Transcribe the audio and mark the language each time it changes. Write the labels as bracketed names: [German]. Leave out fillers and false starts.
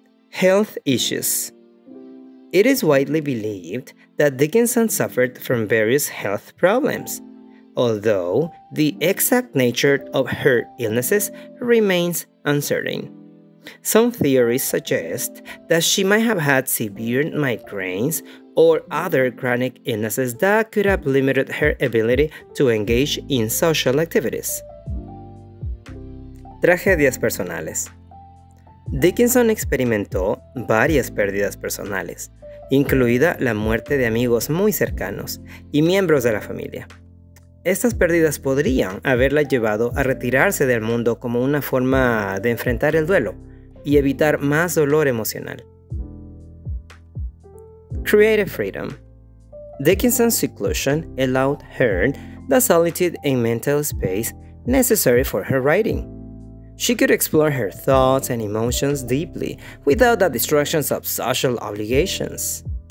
[English] Health issues. It is widely believed that Dickinson suffered from various health problems, although the exact nature of her illnesses remains uncertain. Some theories suggest that she might have had severe migraines or other chronic illnesses that could have limited her ability to engage in social activities. [Spanish] Tragedias personales. Dickinson experimentó varias pérdidas personales, incluida la muerte de amigos muy cercanos y miembros de la familia. Estas pérdidas podrían haberla llevado a retirarse del mundo como una forma de enfrentar el duelo y evitar más dolor emocional. [English] Creative freedom. Dickinson's seclusion allowed her the solitude and mental space necessary for her writing. She could explore her thoughts and emotions deeply without the distractions of social obligations.